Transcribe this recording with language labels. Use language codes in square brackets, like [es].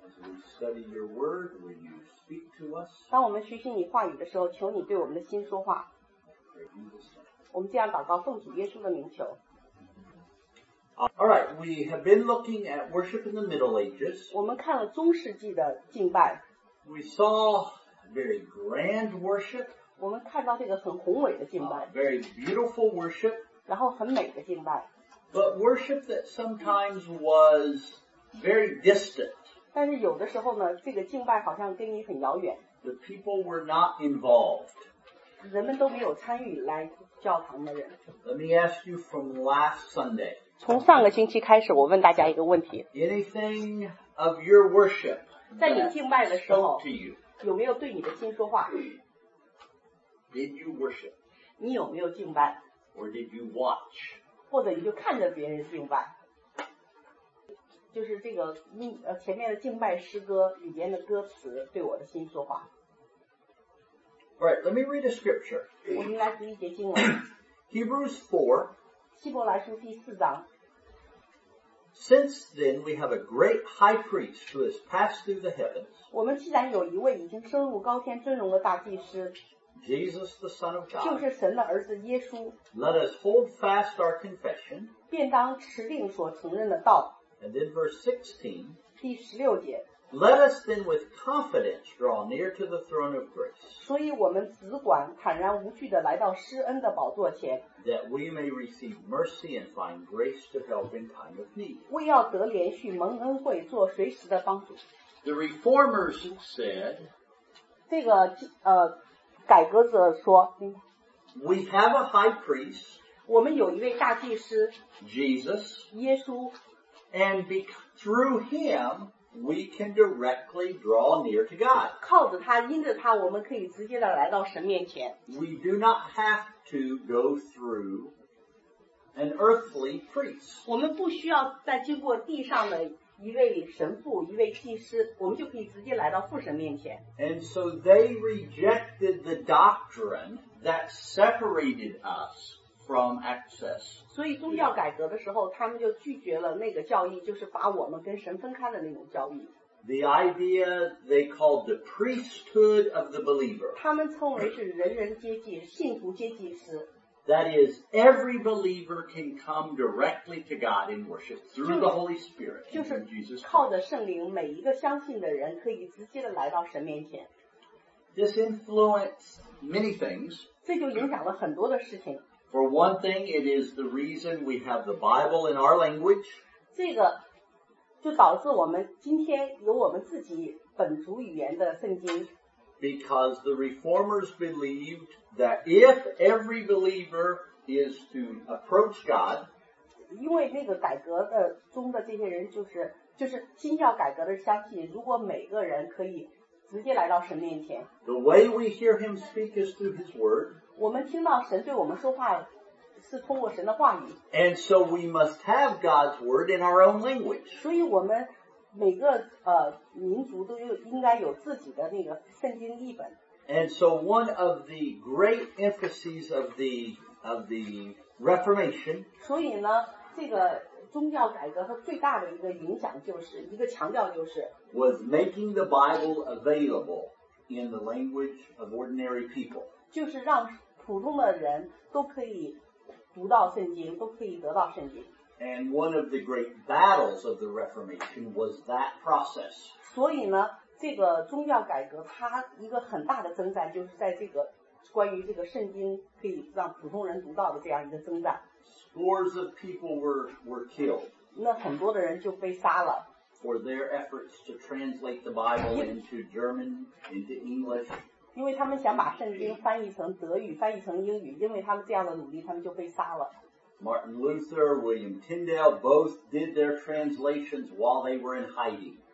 [en] As we study your word, when you speak to us. [zh] 当我们学习你话语的时候，求你对我们的心说话。我们这样祷告，奉主耶稣的名求。 [en] All right, we have been looking at worship in the Middle Ages. [zh] 我们看了中世纪的敬拜。 [en] We saw very grand worship. [zh] 我们看到这个很宏伟的敬拜 [en] very beautiful worship, [zh] 然后很美的敬拜 [en] but worship that sometimes was very distant. [zh] 但是有的时候呢这个敬拜好像跟你很遥远 [en] the people were not involved. [zh] 人们都没有参与来教堂的人 [en] Let me ask you from last Sunday. [zh] 从上个星期开始我问大家一个问题 [en] Anything of your worship [zh] 在你敬拜的时候有没有对你的心说话 [en] Did you worship? [zh] 你有没有敬拜 [en] Or did you watch? [zh] 或者你就看着别人敬拜就是这个前面的敬拜诗歌里边的歌词对我的心说话 [en] Alright, let me read a scripture. [zh] 我们来读一节经文 [en] Hebrews 4 [zh] 希伯来书第四章 [en] Since then we have a great high priest who has passed through the heavens. [zh] 我们既然有一位已经升入高天尊荣的大祭司 [en] Jesus, the Son of God, [zh] 就是神的儿子耶稣 [en] let us hold fast our confession, [zh] 便当持定所承认的道 [en] and then verse 16, [zh] 第十六节 [en] let us then with confidence draw near to the throne of grace, [zh] 所以我们只管坦然无惧地来到施恩的宝座前 [en] that we may receive mercy and find grace to help in time of need, [zh] 为要得连续蒙恩惠做随时的帮助 [en] the reformers said, [zh] 这个改革者说 [en] We have a high priest, [zh] 我们有一位大祭司 [en] Jesus, [zh] 耶稣 [en] and through him, we can directly draw near to God. [zh] 靠着他,因着他,我们可以直接的来到神面前。 [en] We do not have to go through an earthly priest. [zh] 我们不需要再经过地上的一位神父一位祭司我们就可以直接来到父神面前 [en] and so they rejected the doctrine that separated us from access [zh] 所以宗教改革的时候他们就拒绝了那个教义就是把我们跟神分开的那种教义 [en] the idea they called the priesthood of the believer [zh] 他们称为是人人皆祭信徒皆祭司 [en] that is every believer can come directly to God in worship through the Holy Spirit and through Jesus Christ. [zh] 靠着圣灵每一个相信的人可以直接的来到神面前 [en] This influenced many things. [zh] 这就影响了很多的事情 [en] For one thing, it is the reason we have the Bible in our language. [zh] 这个就导致我们今天有我们自己本族语言的圣经 [en] Because the reformers believed that if every believer is to approach God, [zh] 因为那个改革的中的这些人就是新教改革的相信，如果每个人可以直接来到神面前 [en] ，the way we hear Him speak is through His Word. [zh] 我们听到神对我们说话是通过神的话语。 [en] And so we must have God's Word in our own language. [zh] 所以我们。每个民族都应该有自己的那个圣经译本。 [en] And so one of the great emphases of the Reformation. [zh] 所以呢，这个宗教改革它最大的一个影响就是一个强调就是 [en] was making the Bible available in the language of ordinary people. [zh] 就是让普通的人都可以读到圣经，都可以得到圣经。 [en] And one of the great battles of the Reformation was that process. [zh] 所以呢，这个宗教改革它一个很大的征战，就是在这个关于这个圣经可以让普通人读到的这样一个征战。 [en] Scores of people were killed. [zh] 那很多的人就被杀了。 [en] For their efforts to translate the Bible into German, into English. [zh] 因为他们想把圣经翻译成德语，翻译成英语，因为他们这样的努力，他们就被杀了。 [en] Martin Luther, William Tyndale both did their translations while they were in hiding.